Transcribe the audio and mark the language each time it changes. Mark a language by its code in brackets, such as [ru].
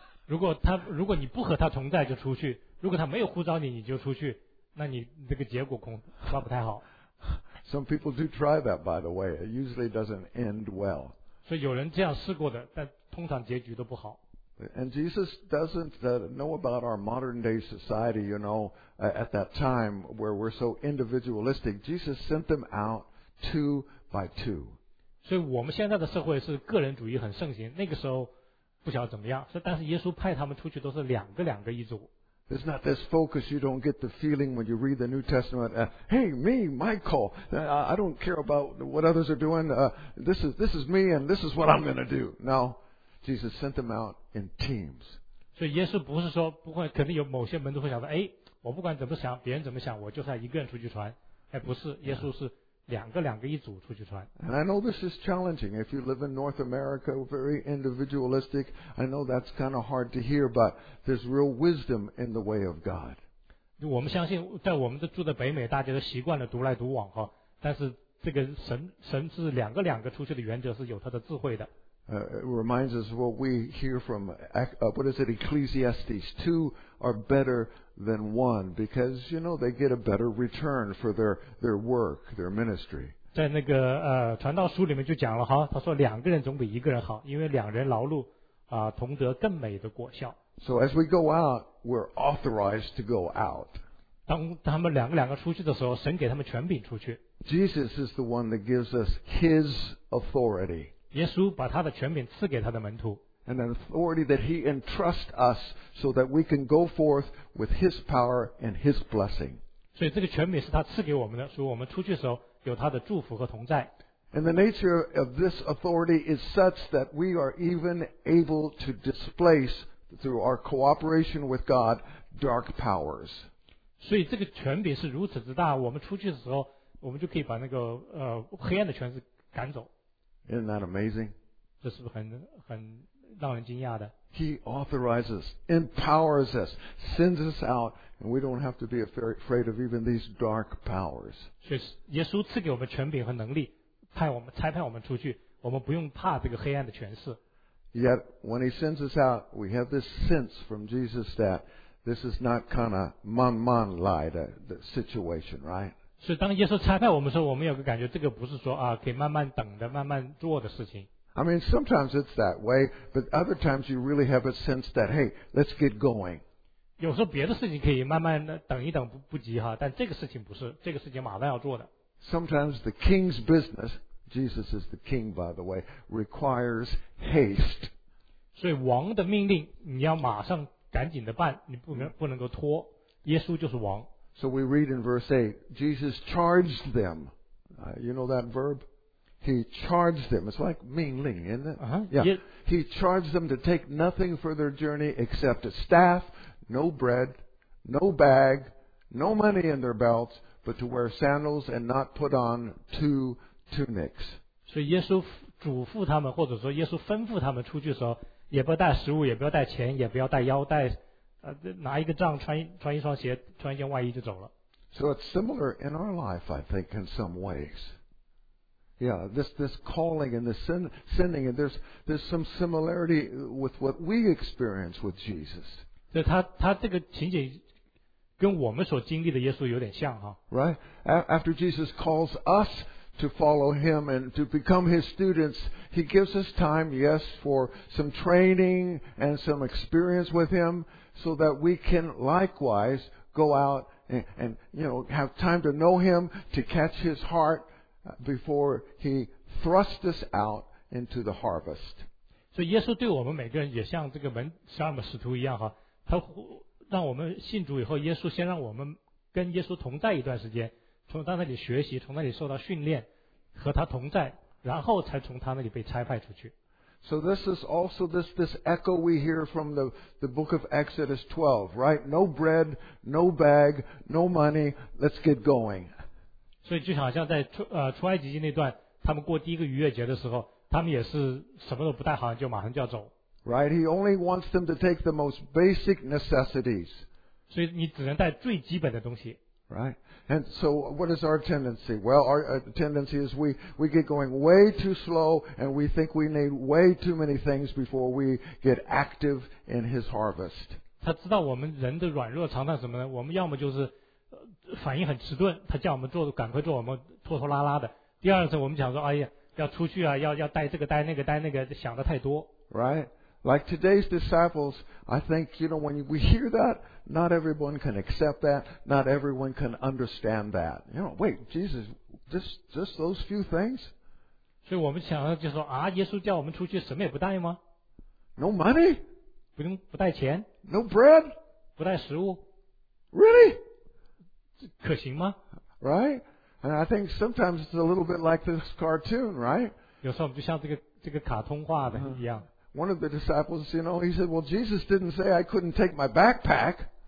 [zh] 如果你不和他同在就出去，如果他没有呼召你，你就出去，那你这个结果恐怕不太好。 [en] Some people do try that, by the way. It usually doesn't end well. [zh] 所以有人这样试过的，但通常结局都不好。 [en] And Jesus doesn't know about our modern day society, you know, at that time where we're so individualistic. Jesus sent them out two by two. [zh] 所以我们现在的社会是个人主义很盛行，那个时候不晓得怎么样，但是耶稣派他们出去都是两个两个一组。 [en] It's not this focus. You don't get the feeling when you read the New Testament. I don't care about what others are doing. This is me, and this is what I'm going to do. No, Jesus sent them out in teams. [zh] 所以耶稣不是说不会，肯定有某些门徒会想说，哎，我不管怎么想，别人怎么想，我就是要一个人出去传。哎，不是，耶稣是两个两个一组出去传。 [en] And I know this is challenging. If you live in North America, very individualistic, I know that's kind of hard to hear, but there's real wisdom in the way of God. [zh] 我们相信在我们住在北美，大家都习惯了独来独往，但是这个神是两个两个出去的原则是有他的智慧的。 [en] It reminds us what we hear from, what is it, Ecclesiastes. Two are better than one because, you know, they get a better return for their work, their ministry. [zh] 在那个传道书里面就讲了哈，他说两个人总比一个人好，因为两人劳碌同得更美的果效。 [en] So as we go out, we're authorized to go out. [zh] 当他们两个两个出去的时候，神给他们权柄出去。 [en] Jesus is the one that gives us his authority. [zh] 耶稣把他的权柄赐给他的门徒。 [en] And an authority that he entrusts us so that we can go forth with his power and his blessing. [zh] 所以这个权柄是他赐给我们的，所以我们出去的时候有他的祝福和同在。 [en] And the nature of this authority is such that we are even able to displace, through our cooperation with God, dark powers. [zh] 所以这个权柄是如此之大，我们出去的时候，我们就可以把那个黑暗的权势赶走。 [en] Isn't that amazing? [zh] 这是不是很让人惊讶的？ [en] He authorizes, empowers us, sends us out, and we don't have to be afraid of even these dark powers. [zh] 所以耶稣赐给我们权柄和能力，派我们差派我们出去，我们不用怕这个黑暗的权势。 [en] Yet when he sends us out, we have this sense from Jesus that this is not kind of man lai the situation, right? [zh] 所以当耶稣差派我们的时候，我们有个感觉，这个不是说啊，可以慢慢等的、慢慢做的事情。 [en] I mean, sometimes it's that way, but other times you really have a sense that, hey, let's get going. [zh] 有时候别的事情可以慢慢等一等，不急哈，但这个事情不是，这个事情马上要做的。 [en] Sometimes the king's business, Jesus is the king, by the way, requires haste. [zh] 所以王的命令，你要马上赶紧的办，你不能够拖。耶稣就是王。 [en] So we read in verse 8, Jesus charged them. You know that verb? He charged them. It's like 命令, isn't it? Uh-huh. Yeah. He charged them to take nothing for their journey except a staff, no bread, no bag, no money in their belts, but to wear sandals and not put on two tunics. [zh] 所以耶稣嘱咐他们，或者说耶稣吩咐他们出去的时候，也不要带食物，也不要带钱，也不要带腰带。拿一个杖，穿一双鞋，穿一件外衣就走了。 [en] So it's similar in our life, I think, in some ways. Yeah, this calling and this sending, and there's some similarity with what we experience with Jesus. [zh] 对，他这个情景跟我们所经历的耶稣有点像哈。 [en] Right? After Jesus calls us to follow him and to become his students, he gives us time, yes, for some training and some experience with him. So that we can likewise go out and you know, have time to know him, to catch his heart before he thrusts us out into the harvest. [zh] So, 耶稣对我们每个人也像这个门十二门使徒一样哈，他让我们信主以后，耶稣先让我们跟耶稣同在一段时间，从他那里学习，从那里受到训练，和他同在，然后才从他那里被差派出去。 [en] So this is also this echo we hear from the book of Exodus 12, right? No bread, no bag, no money. Let's get going. [zh] 所以就好像在出埃及记那段，他们过第一个逾越节的时候，他们也是什么都不带，好像就马上就要走。 [en] Right, he only wants them to take the most basic necessities. [zh] 所以你只能带最基本的东西。 [en] Right, and so what is our tendency? Well, our tendency is we get going way too slow, and we think we need way too many things before we get active in his harvest. [zh] 他知道我们人的软弱，常常什么呢？我们要么就是反应很迟钝，他叫我们做赶快做，我们拖拖拉拉的。第二次我们想说，哎呀，要出去啊，要带这个带那个带那个，想的太多。 [en] Right, like today's disciples, I think you know when we hear that, not everyone can accept that, not everyone can understand that. You know, wait, Jesus, just those few things. [zh] 所以我们想就说啊，耶稣叫我们出去什么也不带吗 [en] ？No money. [zh] 不用不带钱。 [en] No bread. [zh] 不带食物。 [en] Really? [zh] 可行吗 [en] ？Right. And I think sometimes it's a little bit like this cartoon, right? [zh] 有时候就像这个卡通画的一样。 [en] One of the disciples, you know, he said, well, Jesus didn't say I couldn't take my backpack.